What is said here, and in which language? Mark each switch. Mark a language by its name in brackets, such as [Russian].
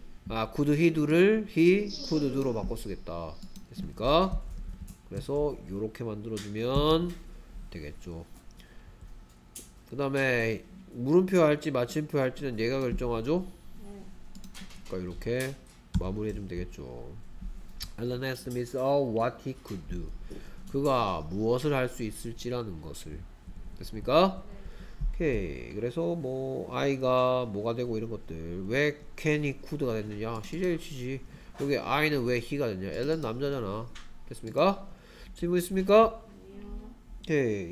[Korean] 아 [English] could he do [Korean] 를 [English] he could do [Korean] 로 바꿔 쓰겠다. 됐습니까? 그래서 요렇게 만들어주면 되겠죠. 그 다음에 물음표 할지 마침표 할지는 얘가 결정하죠? 그러니까 이렇게 마무리해주면 되겠죠. [English] Alan asked Miss Owl what he could do. [Korean] 그가 무엇을 할 수 있을지라는 것을. 됐습니까? 오케이. 그래서 뭐 I가 뭐가 되고 이런 것들 왜 can he could가 됐느냐 시제일치지. 여기 I는 왜 he가 됐냐. Alan 남자잖아. 됐습니까? 질문 있습니까? 오케이.